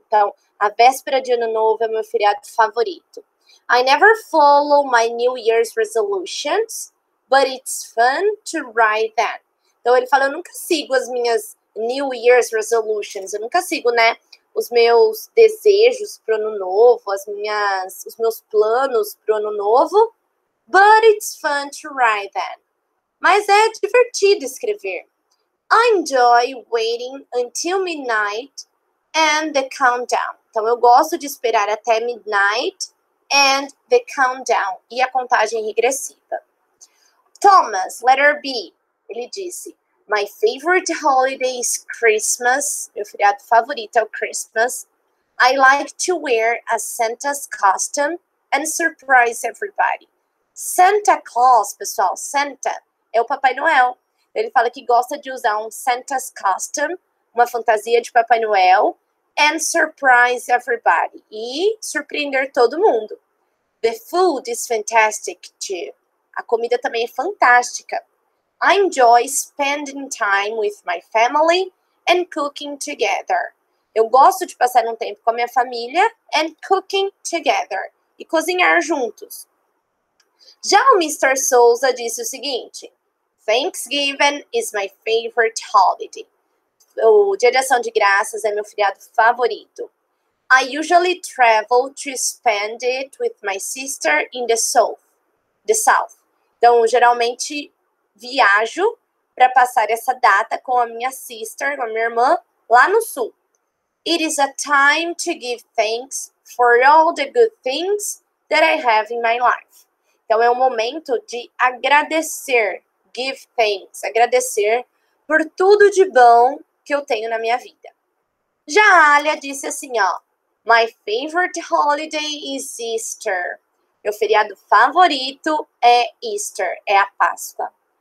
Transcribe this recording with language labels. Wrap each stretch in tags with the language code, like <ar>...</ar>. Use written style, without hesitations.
<pt>Então, a véspera de Ano Novo é meu feriado favorito.</pt> <en>I never follow my New Year's resolutions, but it's fun to write them.</en> <pt>Então, ele fala, eu nunca sigo as minhas</pt> <en>New Year's resolutions.</en> <pt>Eu nunca sigo, né, os meus desejos pro Ano Novo, os meus planos pro Ano Novo.</pt> <en>But it's fun to write them.</en> <pt>Mas é divertido escrever.</pt> <en>I enjoy waiting until midnight and the countdown.</en> <pt>Então, eu gosto de esperar até</pt> <en>midnight and the countdown.</en> <pt>E a contagem regressiva. Thomas,</pt> <en>letter B.</en> <pt>Ele disse,</pt> <en>my favorite holiday is Christmas.</en> <pt>Meu feriado favorito é o Christmas.</pt> <en>I like to wear a Santa's costume and surprise everybody.</en> <pt>Santa Claus, pessoal, Santa é o Papai Noel. Ele fala que gosta de usar um</pt> <en>Santa's costume,</en> <pt>uma fantasia de Papai Noel,</pt> <en>and surprise everybody,</en> <pt>e surpreender todo mundo.</pt> <en>The food is fantastic, too.</en> <pt>A comida também é fantástica.</pt> <en>I enjoy spending time with my family and cooking together.</en> <pt>Eu gosto de passar um tempo com a minha família</pt> <en>and cooking together,</en> <pt>e cozinhar juntos. Já o Mr.</pt> <en>Souza</en> <pt>disse o seguinte,</pt> <en>Thanksgiving is my favorite holiday.</en> <pt>O Dia de Ação de Graças é meu feriado favorito.</pt> <en>I usually travel to spend it with my sister in the South.</en> <pt>Então, geralmente, viajo para passar essa data com a minha sister, com a minha irmã, lá no Sul.</pt> <en>It is a time to give thanks for all the good things that I have in my life.</en> <pt>Então, é um momento de agradecer,</pt> <en>give thanks,</en> <pt>agradecer por tudo de bom que eu tenho na minha vida. Já a Alia disse assim, ó,</pt> <en>my favorite holiday is Easter.</en> <pt>Meu feriado favorito é Easter, é a Páscoa.</pt>